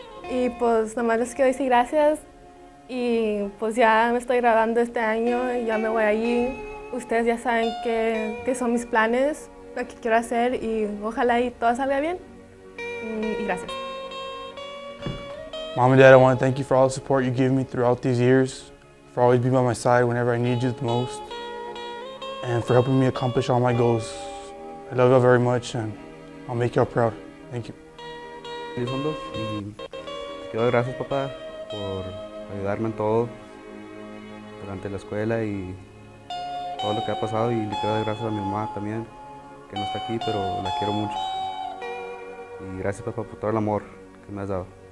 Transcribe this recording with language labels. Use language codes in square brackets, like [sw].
[es] Y pues nomás les quiero decir gracias. Y pues ya me estoy graduando este año y ya me voy ahí. Ustedes ya saben qué son mis planes, lo que quiero hacer, y ojalá y todo salga bien, y gracias. [en] Mom and Dad, I want to thank you for all the support you give me throughout these years, for always being by my side whenever I need you the most, and for helping me accomplish all my goals. I love you very much, and I'll make you all proud. Thank you. [es] Te quiero dar gracias, papá, por ayudarme en todo durante la escuela y todo lo que ha pasado, y le quiero dar gracias a mi mamá también, que no está aquí, pero la quiero mucho. Y gracias, papá, por todo el amor que me has dado.